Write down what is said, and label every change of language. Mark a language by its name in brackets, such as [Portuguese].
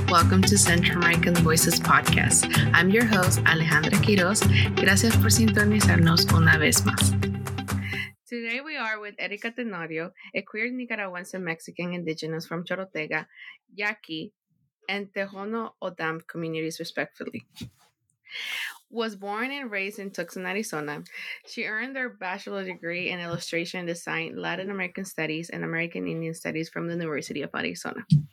[English] Welcome to Central American Voices Podcast. I'm your host, Alejandra Quiroz. [Spanish] Gracias por sintonizarnos una vez más. [English] Today we are with Erika Tenorio, a queer Nicaraguanse Mexican indigenous from Chorotega, Yaqui, and Tejono Odam communities, respectively. Was born and raised in Tucson, Arizona. She earned her bachelor's degree in illustration and design, Latin American studies, and American Indian studies from the University of Arizona.